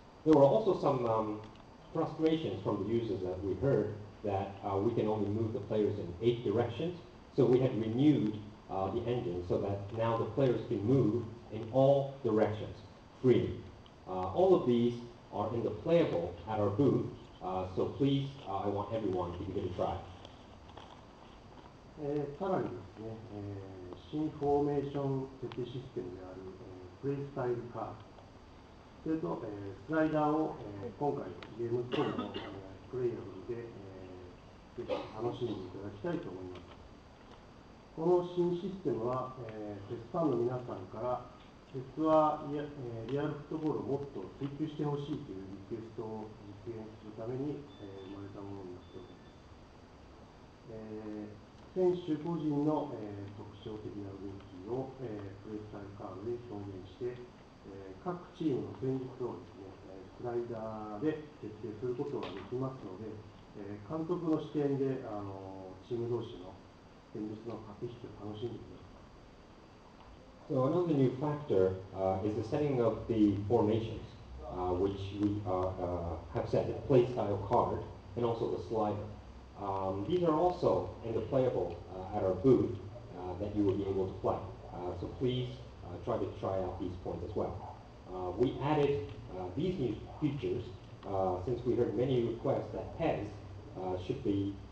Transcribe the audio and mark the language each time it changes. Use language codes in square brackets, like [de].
[en] There were also some frustrations from the users that we heard that we can only move the players in 8 directions. So we had renewed the engine so that now the players can move in all directions. All of these are in the playable at our booth, so please, I want everyone to give it a try. [ja] さらにですね、新フォーメーション設定システムである、プレイスタイルカード、それと、スライダーを、今回ゲームコーナーのプレイヤブルで、ぜひ楽しんでいただきたいと思います。この新システムは、テストファンの皆さんから、実はリアルフットボールをもっと追求してほしいというリクエストを実現するために生まれたものになっております。選手個人の特徴的な動きをプレスタイルカードで表現して、各チームの戦術をですね、スライダーで決定することができますので、監督の視点でチーム同士の戦術の駆け引きを楽しんでください。 [en] So another new factor is the setting of the formations, which we have set the play style card and also the slider. These are also in the playable at our booth that you will be able to play. So please try to try out these points as well. We added these new features since we heard many requests that PES should be